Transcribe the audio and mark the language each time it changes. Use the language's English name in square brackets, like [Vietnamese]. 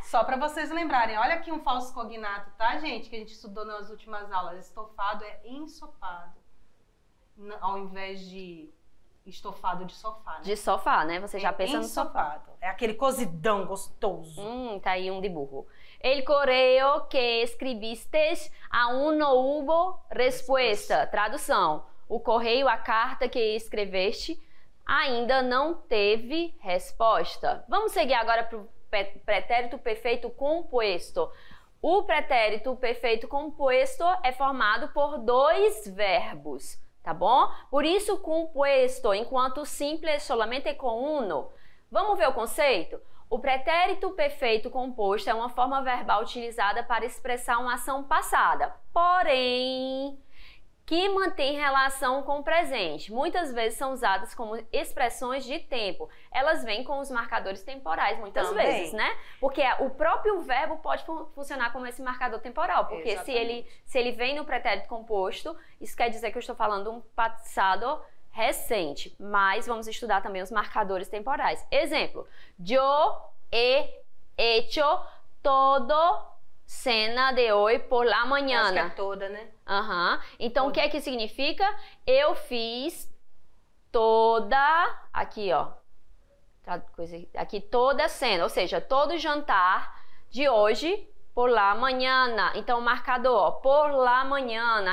[Portuguese] Só para vocês lembrarem. Olha aqui um falso cognato, tá, gente? Que a gente estudou nas últimas aulas. Estofado é ensopado. Ao invés de estofado de sofá, né? De sofá, né? Você já pensa ensopado. No sofá. É aquele cozidão gostoso. Tá aí um de burro. [Spanish] El correo que escribistes aún no hubo respuesta. [Portuguese] Tradução. O correio, a carta que escreveste... ainda não teve resposta. Vamos seguir agora para o pretérito perfeito composto. O pretérito perfeito composto é formado por dois verbos, tá bom? Por isso, composto, enquanto simples, [Spanish] solamente com uno. [Portuguese] Vamos ver o conceito? O pretérito perfeito composto é uma forma verbal utilizada para expressar uma ação passada. Porém... que mantém relação com o presente. Muitas vezes são usadas como expressões de tempo. Elas vêm com os marcadores temporais, muitas Também. Vezes, né? Porque o próprio verbo pode funcionar como esse marcador temporal. Porque se ele vem no pretérito composto, isso quer dizer que eu estou falando um passado recente. Mas vamos estudar também os marcadores temporais. Exemplo. [Spanish] Yo he hecho todo cena de hoy por la mañana. [Portuguese] Acho que é toda, né? Aham. Uhum. Então, o que é que significa? Eu fiz toda... Aqui, ó. Aqui, toda cena. Ou seja, todo jantar de hoje [Spanish] por la mañana. [Portuguese] Então, marcador, ó. [Spanish] Por la mañana.